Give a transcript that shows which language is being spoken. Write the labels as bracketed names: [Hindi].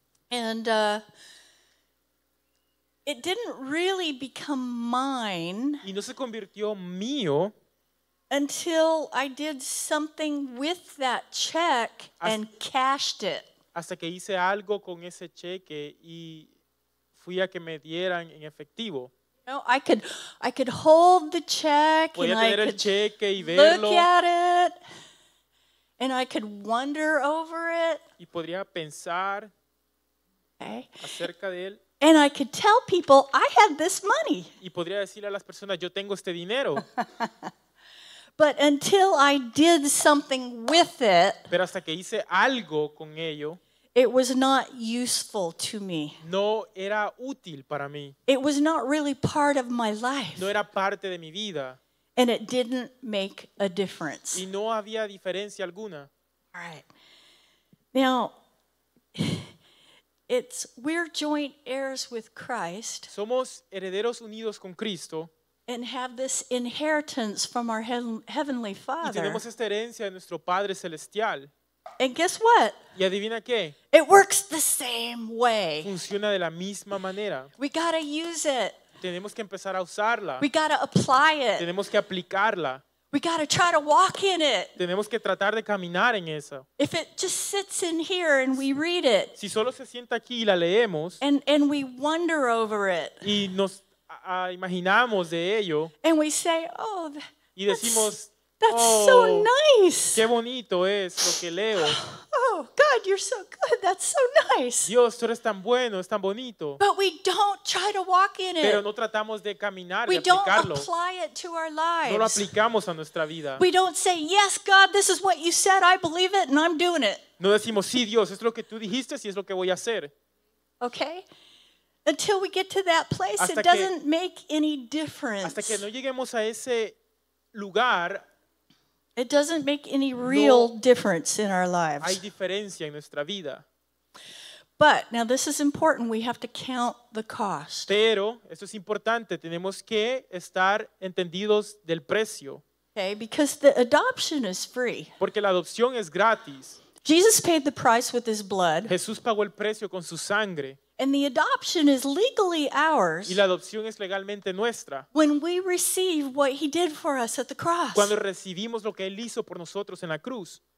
[English] And it didn't really become mine. [Spanish] Y no se convirtió mío. [English] Until I did something with that check and cashed it. [Spanish] Hasta que hice algo con ese cheque y fui a que me dieran en efectivo. [English] No, I could hold the check [Spanish] Podía [English] and [Spanish] tener [English] I could [Spanish] el cheque y [English] look [Spanish] verlo. [English] At it and I could wonder over it. [Spanish] Y podría pensar okay. acerca de él. [English] And I could tell people I had this money. [Spanish] Y podría decirle a las personas yo tengo este dinero. [English] But until I did something with it. [Spanish] Pero hasta que hice algo con ello. [English] It was not useful to me. [Spanish] No era útil para mí. [English] It was not really part of my life. [Spanish] No era parte de mi vida. [English] And it didn't make a difference. [Spanish] Y no había diferencia alguna. [English] All right. Now, we're joint heirs with Christ. [Spanish] Somos herederos unidos con Cristo. [English] And have this inheritance from our heavenly Father. [Spanish] Y tenemos esta herencia de nuestro Padre Celestial. [English] And guess what? [Spanish] ¿Y adivina qué? [English] It works the same way. [Spanish] Funciona de la misma manera. [English] We gotta use it. [Spanish] Tenemos que empezar a usarla. [English] We gotta apply it. [Spanish] Tenemos que aplicarla. [English] We gotta try to walk in it. [Spanish] Tenemos que tratar de caminar en eso. [English] If it just sits in here and we read it. [Spanish] Si solo se sienta aquí y la leemos. [English] And we wonder over it. [Spanish] Y nos imaginamos de ello. [English] And we say, oh, that's... [Spanish] Y decimos, [English] That's oh, so nice. [Spanish] Qué bonito es lo que leo. [English] Oh, God, you're so good. That's so nice. [Spanish] Dios, tú eres tan bueno, es tan bonito. [English] But we don't try to walk in it. [Spanish] Pero no tratamos de caminar [English] we [Spanish] y aplicarlo. [English] Don't apply it to our lives. [Spanish] No lo aplicamos a nuestra vida. [English] We don't say, yes, God, this is what you said. I believe it and I'm doing it. [Spanish] No decimos, sí, Dios, es lo que tú dijiste y es lo que voy a hacer. [English] Okay? Until we get to that place, it doesn't make any difference. [Spanish] Hasta que no lleguemos a ese lugar, [English] It doesn't make any real [Spanish] no [English] difference in our lives. [Spanish] Hay diferencia en nuestra vida. [English] But, now this is important, we have to count the cost. [Spanish] Pero, esto es importante, tenemos que estar entendidos del precio. [English] Okay, because the adoption is free. [Spanish] Porque la adopción es gratis. [English] Jesus paid the price with his blood. [Spanish] Jesús pagó el precio con su sangre. [English] And the adoption is legally ours. [Spanish] Y la adopción es legalmente nuestra. [English] When we receive what he did for us at the cross. [Spanish] Cuando recibimos lo que él hizo por nosotros en la cruz.